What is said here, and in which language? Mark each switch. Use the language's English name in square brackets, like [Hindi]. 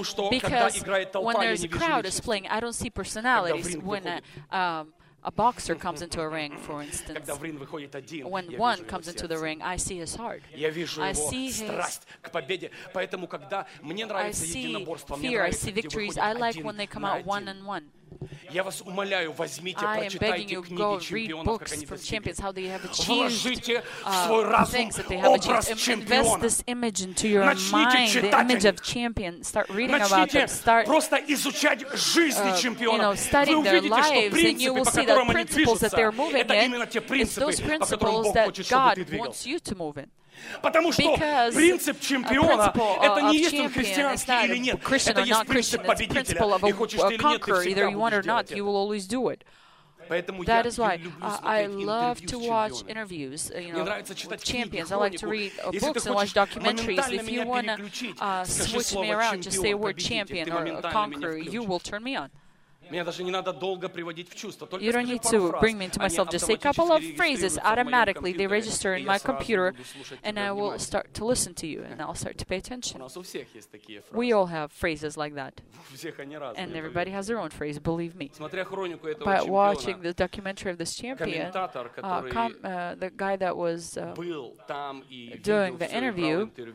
[English] Because when there's a crowd is playing, I don't see personalities. When a boxer comes into a ring, for instance, when one comes into the ring, I see his heart. I see his fear, I see victories. I like when they come out one on one. [Russian] Я вас умоляю, возьмите, прочитайте книги чемпионов, как они достигли. Вложите в свой разум образ чемпиона. Начните читать о них. Начните просто изучать жизни чемпионов. Вы увидите, что принципы, по которым они движутся, это именно те принципы, по которым Бог хочет, чтобы ты двигался. Потому что принцип чемпиона это не есть он христианский или нет, это есть принцип победителя. И хочешь ты или нет, ты всегда будешь делать это. Поэтому я люблю смотреть интервью с чемпионами. Мне нравится читать книги, если ты хочешь моментально меня переключить, мне даже не надо долго приводить в чувство. [English] You don't need to bring me into myself. Just say a couple of phrases. Automatically, they register in my computer, and I will start to listen to you, and I'll start to pay attention. We all have phrases like that. And everybody has their own phrase, believe me. By watching the documentary of this champion, the guy that was doing the interview,